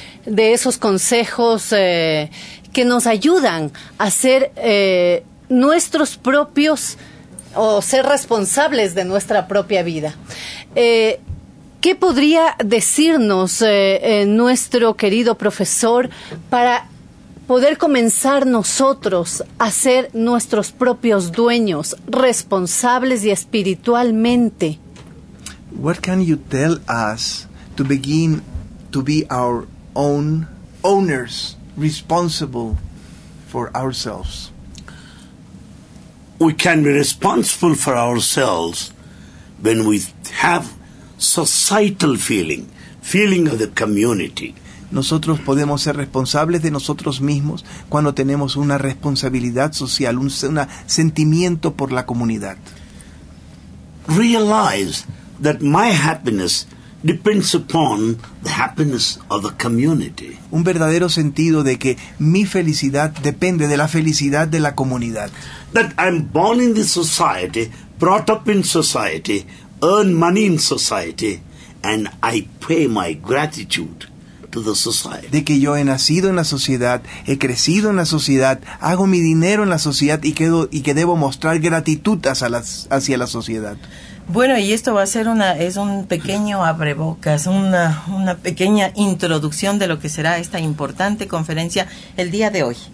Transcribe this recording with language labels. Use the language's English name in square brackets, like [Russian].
[Spanish] De esos consejos que nos ayudan a ser nuestros propios o ser responsables de nuestra propia vida. ¿Qué podría decirnos nuestro querido profesor para poder comenzar nosotros a ser nuestros propios dueños, responsables y espiritualmente? [English] What can you tell us to begin to be our own owners, responsible for ourselves? We can be responsible for ourselves when we have societal feeling of the community. [Spanish] Nosotros podemos ser responsables de nosotros mismos cuando tenemos una responsabilidad social, un sentimiento por la comunidad. [English] Realize that my happiness depends upon the happiness of the community. [Spanish] Un verdadero sentido de que mi felicidad depende de la felicidad de la comunidad. [English] That I'm born in this society, brought up in society, earn money in society, and I pay my gratitude to the society. [Spanish] De que yo he nacido en la sociedad, he crecido en la sociedad, hago mi dinero en la sociedad y que debo mostrar gratitud hacia la sociedad. Bueno, y esto va a ser es un pequeño abrebocas, una pequeña introducción de lo que será esta importante conferencia el día de hoy.